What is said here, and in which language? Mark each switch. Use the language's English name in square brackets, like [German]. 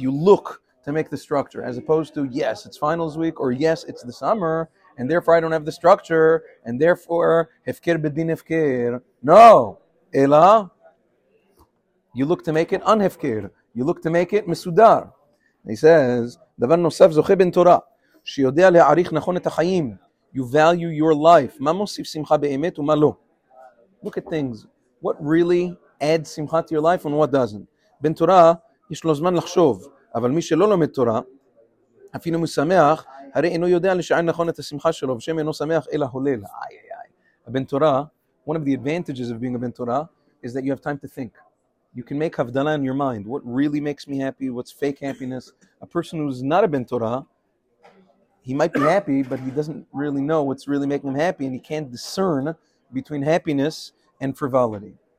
[English] You look to make the structure, as opposed to, yes, it's finals week, or yes, it's the summer, and therefore I don't have the structure, and therefore, hefker bedin hefker. No! Ela? You look to make it unhefker. You look to make it mesudar. He says, davar nosef zoche ben Torah. [Hebrew] שיודע להעריך נכון את החיים. You value your life. מה מוסיף שמחה באמת ומה לא? [English] Look at things. What really adds שמחה to your life and what doesn't? [Hebrew] בן תורה יש לו זמן לחשוב, אבל מי שלא לומד תורה, אפילו משמח, הרי אינו יודע לשער נכון את השמחה שלו, ושם אינו שמח אלא הולל. [English] בן תורה, one of the advantages of being a בן תורה is that you have time to think. You can make הבדלה in your mind. What really makes me happy? What's fake happiness? A person who's not a בן תורה, he might be happy, but he doesn't really know what's really making him happy, and he can't discern between happiness and frivolity.